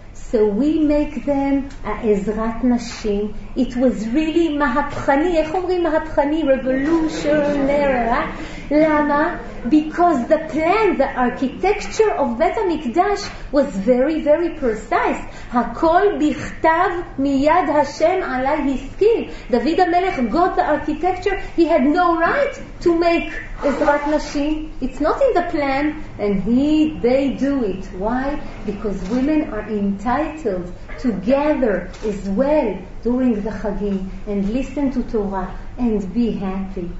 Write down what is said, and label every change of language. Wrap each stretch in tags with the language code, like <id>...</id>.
<en>So we make them a Ezrat Nashim. It was really mahapchani.</en> <he>איך אומרים מהפכני?</he> <en>Revolutionary.</en> <he>למה?</he> <en>Because the plan, the architecture of Bet HaMikdash was very, very precise.</en> <he>הכל בכתב מיד השם עלי הסכיל.</he> <en>דוד המלך got the architecture. He had no right to make Ezrat Nashim. It's not in the plan. And they do it. Why? Because women are entitled to gather as well during the Chagim and listen to Torah and be happy.</en>